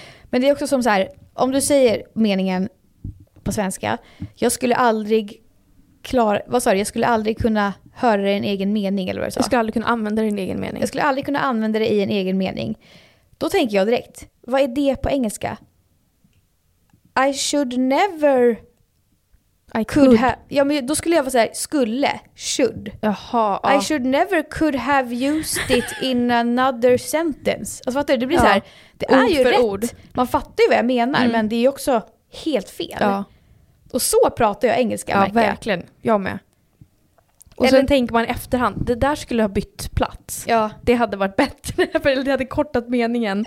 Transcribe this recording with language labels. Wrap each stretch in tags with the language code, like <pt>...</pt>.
<sv>Men det är också som så här, om du säger meningen på svenska, jag skulle aldrig klara, vad sa du, jag skulle aldrig kunna höra din egen mening eller vad du sa. Jag skulle aldrig kunna använda din egen mening. Jag skulle aldrig kunna använda det i en egen mening. Då tänker jag direkt, vad är det på engelska?</sv> <en>I should never I could have,</en> <sv>ja, men då skulle jag vara så här, skulle, should. Jaha, ja.</sv> <en>I should never could have used it in another sentence.</en> <sv>Alltså fattar du, det blir ja. Så här, det ord är ju för rätt. Ord. Man fattar ju vad jag menar, men det är ju också helt fel. Ja. Och så pratar jag engelska, ja, verkligen, jag med. Och eller, sen tänker man efterhand, det där skulle ha bytt plats. Ja. Det hade varit bättre, för det hade kortat meningen.</sv>